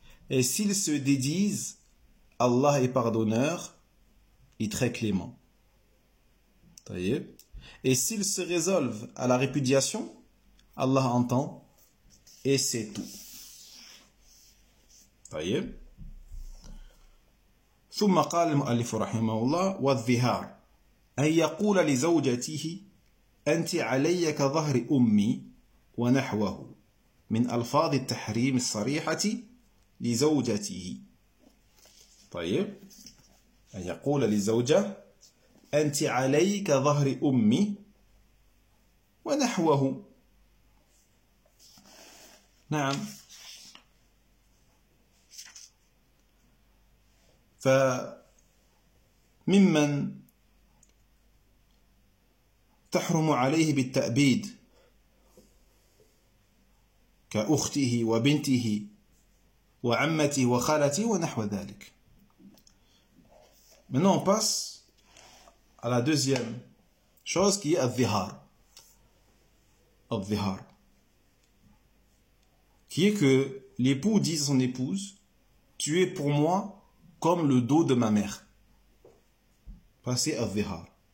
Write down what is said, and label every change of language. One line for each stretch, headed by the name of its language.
French: Et s'ils se dédisent, Allah est pardonneur et très clément. » Et s'ils se résolvent à la répudiation, Allah entend et c'est tout.
Arabic: ثم قال المؤلف رحمه الله والظهار أن يقول لزوجته أنت علي كظهر أمي ونحوه من ألفاظ التحريم الصريحة لزوجته. طيب أن يقول لزوجة أنت علي كظهر أمي ونحوه. نعم. فممن تحرم عليه بالتأبيد كأخته وبنته وعمته وخالته ونحو ذلك.
French: Maintenant on passe à la deuxième chose qui est الظهار.
Arabic: الظهار.
French: Qui est que l'époux dit à son épouse, tu es pour moi comme le dos de ma mère. Passer à Zihar.